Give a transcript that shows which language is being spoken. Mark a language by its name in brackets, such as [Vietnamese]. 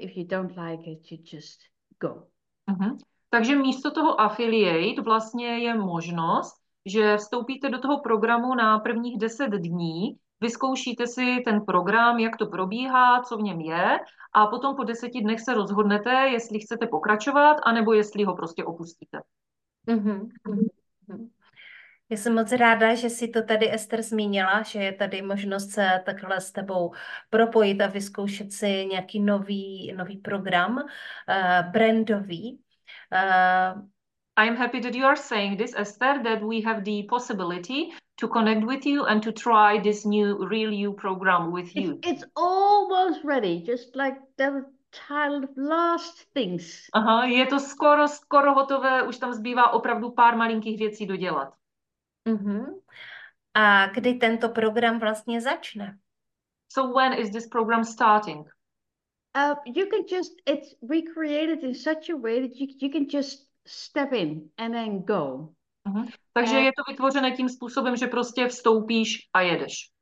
[English] If you don't like it, you just go. Mm-hmm. [Czech] Takže místo toho affiliate vlastně je možnost, že vstoupíte do toho programu na prvních 10 dní, vyzkoušíte si ten program, jak to probíhá, co v něm je, a potom po 10 dnech se rozhodnete, jestli chcete pokračovat, anebo jestli ho prostě opustíte. Mm-hmm. Já jsem moc ráda, že si to tady Ester zmínila, že je tady možnost se takhle s tebou propojit a vyzkoušet si nějaký nový program, brandový. [English] I am happy that you are saying this, Esther, that we have the possibility to connect with you and to try this new Real You program with you. It's almost ready, just like the last things. [Czech] Aha, je to skoro hotové, už tam zbývá opravdu pár malinkých věcí dodělat. Mm-hmm. A kdy tento program vlastně začne? [English] So when is this program starting? You can just, it's recreated in such a way that you can just step in and then go. Mm-hmm. [Czech] Takže je to vytvořené tím způsobem, že prostě vstoupíš a jedeš.